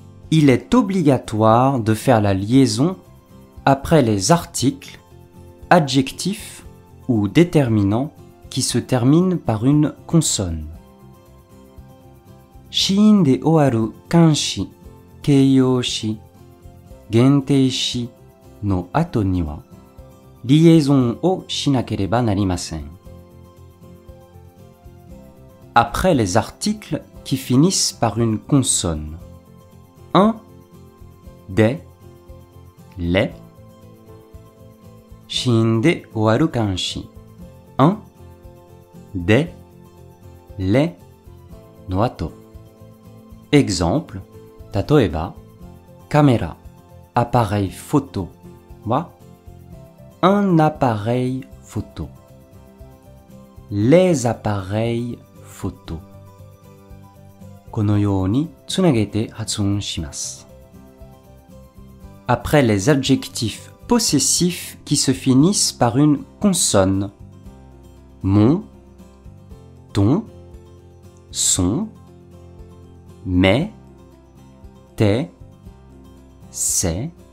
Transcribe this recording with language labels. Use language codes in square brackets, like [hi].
[fr] Il est obligatoire de faire la liaison après les articles, adjectifs ou déterminants qui se terminent par une consonne. [ja] 子音で終わる冠詞、形容詞、限定詞の後には、リエゾンをしなければなりません。 [fr] Après les articles qui finissent par une consonne. Un, des, les. [ja] 子音で終わる冠詞、un, des, les の後。 [fr] Exemple, [ja] 例えば、カメラ、appareil photo は、 [fr] un appareil photo, les appareils photo. [ja] このようにつなげて発音します。 [fr] Après les adjectifs possessifs qui se finissent par une consonne, mon, ton, son, mais, tes, ses,